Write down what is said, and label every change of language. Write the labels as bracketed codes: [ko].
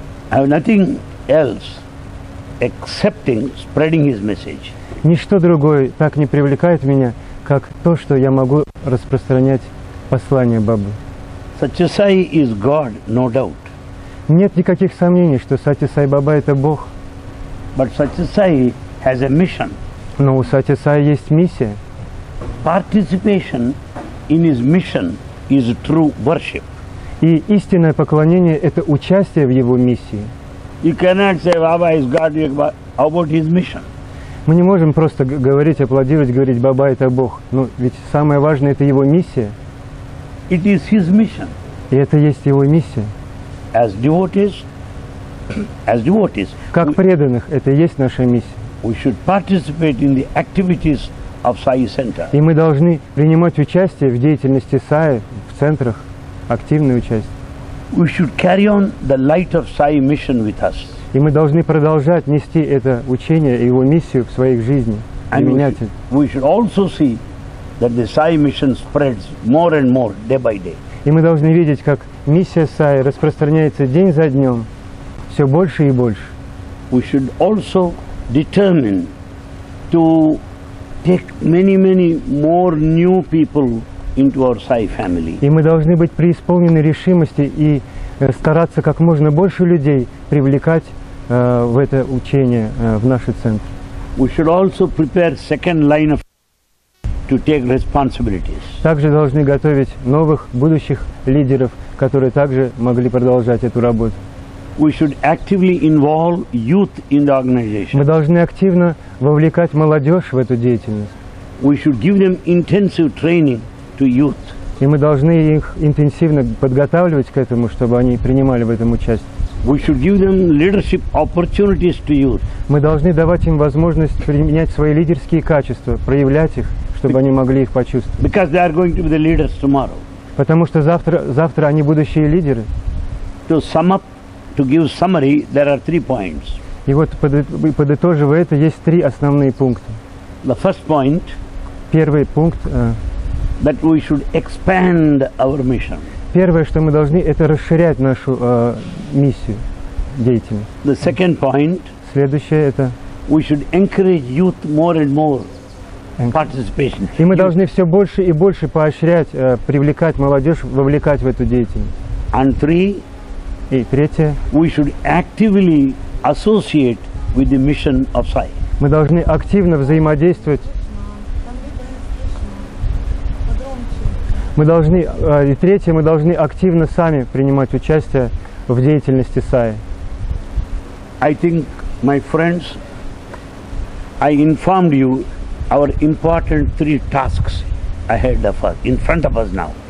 [en] I have nothing else excepting spreading his message. [ru] Ничто другое так не привлекает меня, как то, что я могу распространять послание Бабы. [en] Сати Сай is God, no doubt. [ru] Нет никаких сомнений, что Сати Сай Баба — это Бог. [en] But Сати Сай has a mission. [ru] Но у Сати Сай есть миссия. [en] Participation in his mission is true worship. [ru] И истинное поклонение – это участие в его миссии. [en] You cannot say Baba is God about his mission. [ru] Мы не можем просто говорить, аплодировать, говорить: Баба – это Бог. Но ведь самое важное – это его миссия. [en] It is his mission. [ru] И это есть его миссия. [en] As devotees. [ru] Как преданных, это и есть наша миссия. [en] We should participate in the activities of Sai Center. [ru] И мы должны принимать участие в деятельности Саи в центрах. Активное участие. [en] we should carry on the light of Sai mission with us. [ru] И мы должны продолжать нести это учение и его миссию в своих жизни, применять это. [en] We should also see that the Sai mission spreads more and more day by day. [ru] И мы должны видеть, как миссия Сай распространяется день за днем, все больше и больше. [en] We should also determine to take many, many more new people into our Sai family. [ru] И мы должны быть преисполнены решимости и стараться как можно больше людей привлекать в это учение, в наши центры. [en] We should also prepare second line of to take responsibilities. [ru] Также должны готовить новых будущих лидеров, которые также могли продолжать эту работу. [en] We should actively involve youth in the organization. [ru] Мы должны активно вовлекать молодежь в эту деятельность. [en] We should give them intensive training to youth. [ru] И мы должны их интенсивно подготавливать к этому, чтобы они принимали в этом участие. [en] We should give them leadership opportunities to youth. [ru] Мы должны давать им возможность применять свои лидерские качества, проявлять их, чтобы они могли их почувствовать. [en] Because they are going to be the leaders tomorrow. [ru] Потому что завтра они будущие лидеры. [en] To sum up, to give summary, there are three points. [ru] И вот подытоживая это, есть три основные пункта. [en] The first point. [ru] Первый пункт. [en] That we should expand our mission. [ru] Первое, что мы должны, это расширять нашу миссию, деятельность. [en] The second point. [ru] Следующее это. [en] We should encourage youth more and more. Participation. [ru] И мы должны все больше и больше поощрять, привлекать молодежь, вовлекать в эту деятельность. [en] And three, [ru] и третье. [en] We should actively associate with the mission of Sai. [ru] Мы должны активно взаимодействовать. Мы должны, и третье, мы должны активно сами принимать участие в деятельности Sai. [en] I think, my friends, I informed you our important three tasks ahead of us, in front of us now.